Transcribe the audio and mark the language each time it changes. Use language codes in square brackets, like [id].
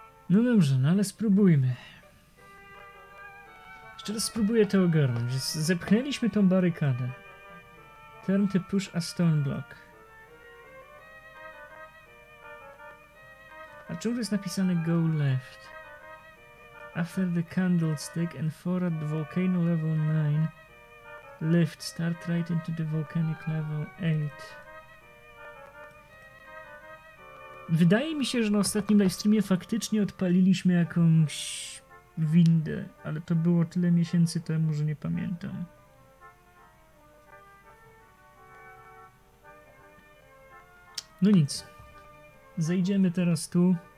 [pl] No dobrze, no ale spróbujmy. Jeszcze raz spróbuję to ogarnąć. Zepchnęliśmy tą barykadę. [en] Turn to push a stone block. [pl] A czemu jest napisane [en] go left? After the candlestick and four at the volcano level 9, lift, start right into the volcanic level 8. [pl] Wydaje mi się, że na ostatnim livestreamie faktycznie odpaliliśmy jakąś windę, ale to było tyle miesięcy temu, że nie pamiętam. No nic. Zejdziemy teraz tu.